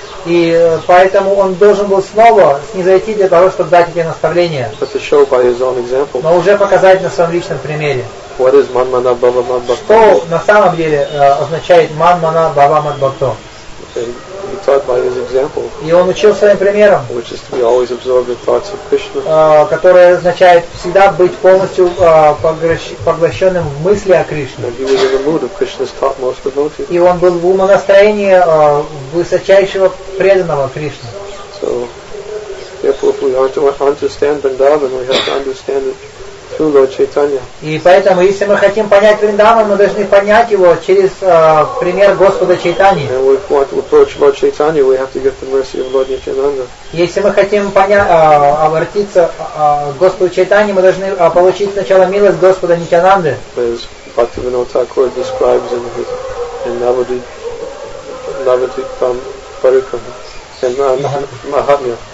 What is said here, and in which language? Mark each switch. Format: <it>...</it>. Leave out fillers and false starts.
<ru>И поэтому он должен был снова снизойти для того, чтобы дать эти наставления.</ru> <en>But to show by his own example.</en> <ru>Но уже показать на своем личном примере.</ru> <en>What is Manmana Bhava Mad Bhakto?</en> <ru>Что на самом деле означает Манмана Бхава Мад Бхакто?</ru> <en>He taught by his example.</en> <ru>И он учил своим примером.</ru> <en>Which is to be always absorbed in thoughts of Krishna.</en> <ru>Которое означает всегда быть полностью поглощенным в мысли о Кришне.</ru> <en>He was in the mood of Krishna's topmost devotee.</en> <ru>И он был в умонастроении высочайшего преданного Кришны.</ru> <en>So, therefore, if we want to understand Vrindavan, we have to understand it through Lord Chaitanya.</en> <ru>И поэтому, если мы хотим понять Вриндаван, мы должны понять его через пример Господа Чайтаньи.</ru> <en>And if we want to approach Lord Chaitanya, we have to get the mercy of Lord Nityananda.</en> <ru>Если мы хотим обратиться к Господу Чайтаньи, мы должны получить сначала милость Господа Нитянанды.</ru> <en>As Bhaktivinoda Thakur describes in Navadvipam Parikram and Mahatmya.</en>